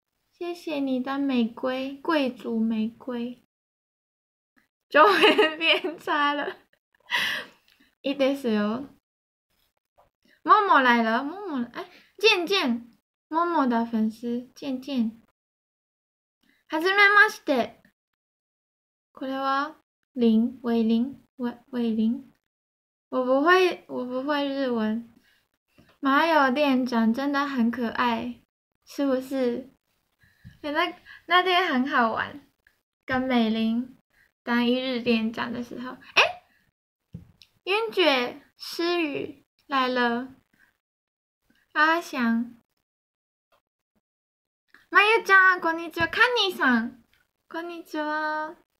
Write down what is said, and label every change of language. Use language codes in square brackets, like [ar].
[zh] 谢谢你的玫瑰，贵族玫瑰，中文变差了。 [ja] いいですよ。 [zh] もも来了、もも、え、健健、ももだ粉丝、健健。 [ja] はじめまして。これは、林、ウェイリン、ウェイリン。 [zh] 我不会日文。麻友店长真的很可爱，是不是？那天很好玩，跟美玲当一日店长的时候，云爵、诗雨来了，阿翔， [ja] まゆちゃん、こんにちは、カニさん、こんにちは。